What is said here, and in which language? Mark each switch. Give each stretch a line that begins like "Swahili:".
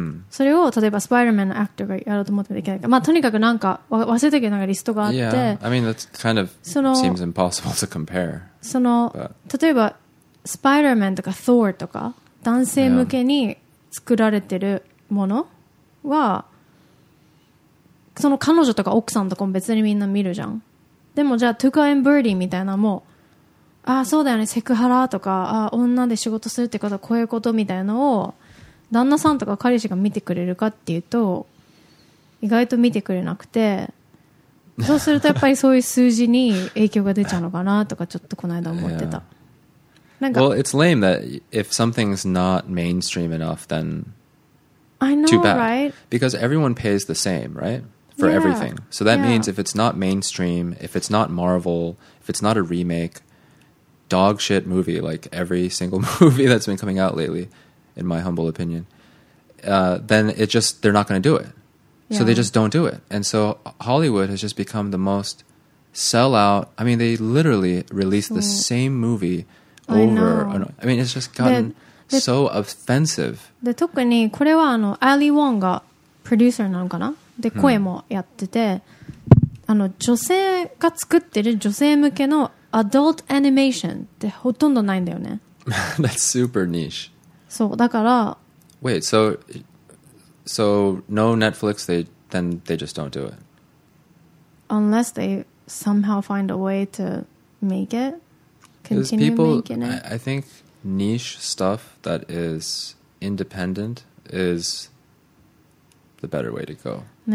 Japanese: それを例えばスパイダーマンのアクターがやろうと思ってできないか、まあとにかくなんか忘れたけどなんかリストがあって、
English: yeah, I mean that's kind of seems impossible to compare.
Japanese: その、but. 例えばスパイダーマンとかトーとか。男性向けに作られてるものは、その彼女とか奥さんとかも別にみんな見るじゃん。でもじゃあ、トゥカ&ブーディーみたいなも、ああ、そうだよね、セクハラとか、ああ、女で仕事するってことはこういうことみたいなのを、旦那さんとか彼氏が見てくれるかっていうと、意外と見てくれなくて、そうするとやっぱりそういう数字に影響が出ちゃうのかなとか、ちょっとこの間思ってた。
English: Yeah. Well, it's lame that if something's not mainstream enough, then I know, too bad. Right? Because everyone pays the same, right? For everything. So that means if it's not mainstream, if it's not Marvel, if it's not a remake, dog shit movie, like every single movie that's been coming out lately, in my humble opinion, then it just, they're not going to do it. So they just don't do it. And so Hollywood has just become the most sellout. I mean, they literally released the same movie... Over, I mean, it's just gotten so offensive.
Japanese: で、特にこれはあの、アリー・ウォンがプロデューサーなのかな？で、声もやってて、あの、女性が作ってる女性向けのアドルトアニメーションってほとんどないんだよね。
English: That's super niche.
Japanese: そう、だから。
English: Wait, so no Netflix, they just don't do it. Unless they somehow find a way to make it. Because people, I think niche stuff that is independent is the better way to go.